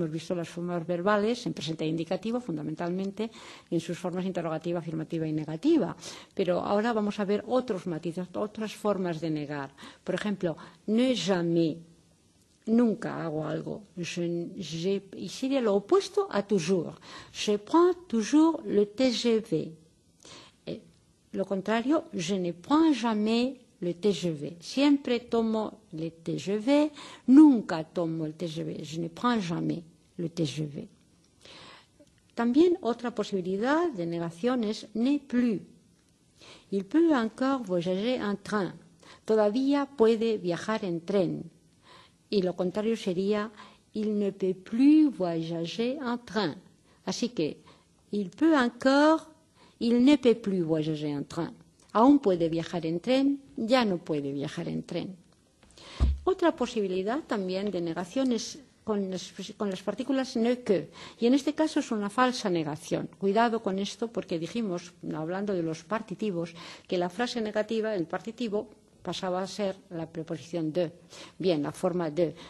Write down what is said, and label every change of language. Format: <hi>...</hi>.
<es>Hemos visto las formas verbales en presente e indicativo, fundamentalmente, en sus formas interrogativa, afirmativa y negativa. Pero ahora vamos a ver otros matices, otras formas de negar. Por ejemplo, ne jamais. Nunca hago algo. Y sería lo opuesto a toujours.</es> <fr>Je prends toujours le TGV.</fr> <es>Lo contrario,</es> <fr>je ne prends jamais le TGV.</fr> <es>Siempre tomo le TGV. Nunca tomo el TGV.</es> <fr>Je ne prends jamais le TGV.</fr> <es>También otra posibilidad de negación es ne plus.</es> <fr>Il peut encore voyager en train.</fr> <es>Todavía puede viajar en tren. Y lo contrario sería,</es> <fr>il ne peut plus voyager en train.</fr> <es>Así que,</es> <fr>il peut encore, il ne peut plus voyager en train.</fr> <es>Aún puede viajar en tren, ya no puede viajar en tren. Otra posibilidad también de negación es con las partículas ne que. Y en este caso es una falsa negación. Cuidado con esto, porque dijimos, hablando de los partitivos, que la frase negativa, el partitivo, pasaba a ser la preposición de. Bien, la forma de.</es>